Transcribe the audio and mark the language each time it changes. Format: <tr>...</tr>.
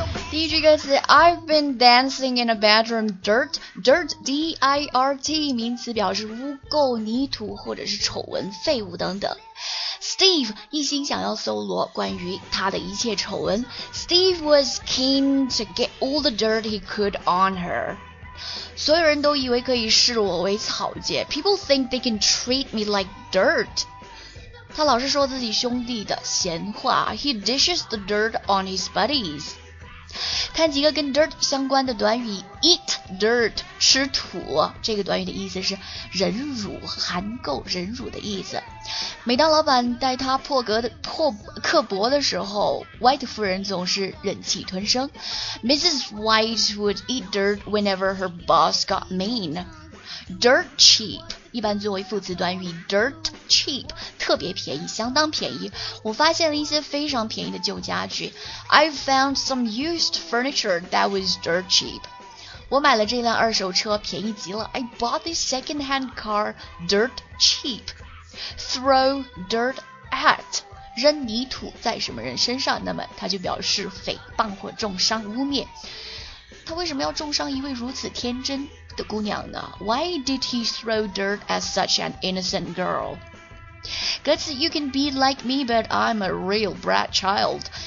<zh>第一句歌词</zh> <en>I've been dancing in a bedroom dirt.</en> <zh>Dirt, D-I-R-T, 名词表示污垢、泥土或者是丑闻、废物等等。 Steve 一心想要搜罗关于他的一切丑闻。</zh> <en>Steve was keen to get all the dirt he could on her.</en> <zh>所有人都以为可以视我为草芥。</zh> <en>People think they can treat me like dirt.</en> <zh>他老是说自己兄弟的闲话。</zh> <en>He dishes the dirt on his buddies.</en> <zh>看几个跟 dirt 相关的短语。</zh> <en>Eat dirt,</en> <zh>吃土。这个短语的意思是忍辱、含垢、忍辱的意思。每当老板带他刻薄的时候 White 夫人总是忍气吞声 Mrs.</zh> <en>White would eat dirt whenever her boss got mean Dirt cheap</en> <zh>一般作为副词短语 dirt cheap 特别便宜，相当便宜。我发现了一些非常便宜的旧家具。</zh> <en>I found some used furniture that was dirt cheap.</en> <zh>我买了这辆二手车，便宜极了。</zh> <en>I bought this second-hand car dirt cheap. Throw dirt at.</en> <zh>扔泥土在什么人身上，那么他就表示诽谤或重伤污蔑。他为什么要重伤一位如此天真的姑娘呢？</zh> <en>Why did he throw dirt at such an innocent girl?</en> <zh>歌词</zh> <en>You can be like me but I'm a real brat child.</en>